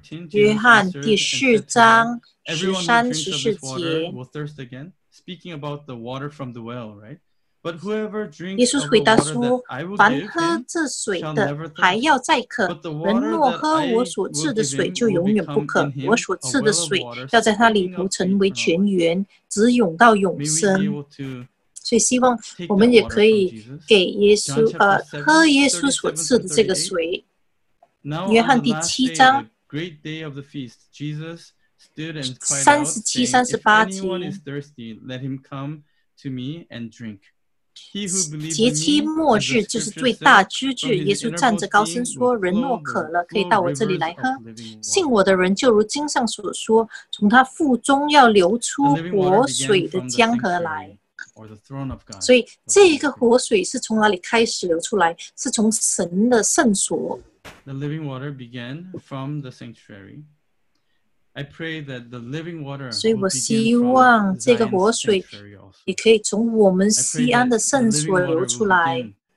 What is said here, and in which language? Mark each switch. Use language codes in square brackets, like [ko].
[zh] 约翰第四章十三十四节。 [en] Speaking about the water from the well, right? But whoever drinks [zh] 耶稣回答说，凡喝这水的还要再渴。人若喝我所赐的水，就永远不渴。我所赐的水要在他里头成为泉源，直涌到永生。所以希望我们也可以给耶稣喝耶稣所赐的这个水。约翰第七章37-38节，节期末日就是最大之日。耶稣站着高声说：“人若渴了，可以到我这里来喝。信我的人，就如经上所说，从他腹中要流出活水的江河来。” [en] Or the throne of God. [zh] 所以这个活水是从哪里开始流出来？是从神的圣所。 [en] The living water began from the sanctuary. I pray that the living water. [zh] 所以我希望这个活水也可以从我们西安的圣所流出来。